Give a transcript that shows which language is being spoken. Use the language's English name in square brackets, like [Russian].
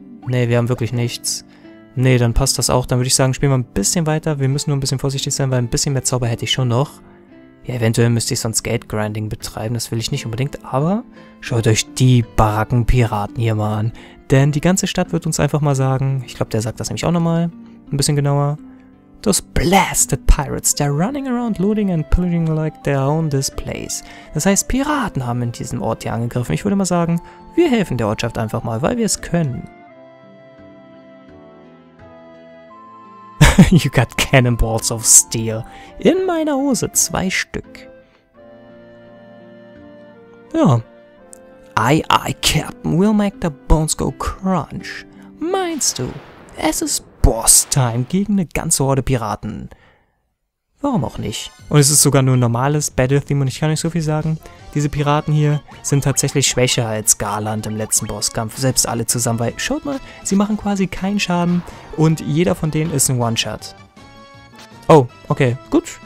[German] Nee, wir haben wirklich nichts. Nee, dann passt das auch. Dann würde ich sagen, spielen wir ein bisschen weiter. Wir müssen nur ein bisschen vorsichtig sein, weil ein bisschen mehr Zauber hätte ich schon noch. Ja, eventuell müsste ich sonst Geldgrinding betreiben. Das will ich nicht unbedingt. Aber schaut euch die Barackenpiraten hier mal an. Denn die ganze Stadt wird uns einfach mal sagen, ich glaube, der sagt das nämlich auch nochmal ein bisschen genauer. [English] Those blasted pirates, they're running around looting and pillaging like their own this place. [German] Das heißt, Piraten haben in diesem Ort hier angegriffen. Ich würde mal sagen, wir helfen der Ortschaft einfach mal, weil wir es können. [English] You got cannonballs of steel. [German] In meiner Hose, 2 Stück. Ja. [English] Aye, aye, Captain, we'll make the bones go crunch. [German] Meinst du? Es ist Boss-Time gegen eine ganze Horde Piraten. Warum auch nicht? Und es ist sogar nur ein normales Battle-Theme und ich kann nicht so viel sagen. Diese Piraten hier sind tatsächlich schwächer als Garland im letzten Bosskampf. Selbst alle zusammen, weil, schaut mal, sie machen quasi keinen Schaden und jeder von denen ist ein One-Shot. Oh, okay, gut.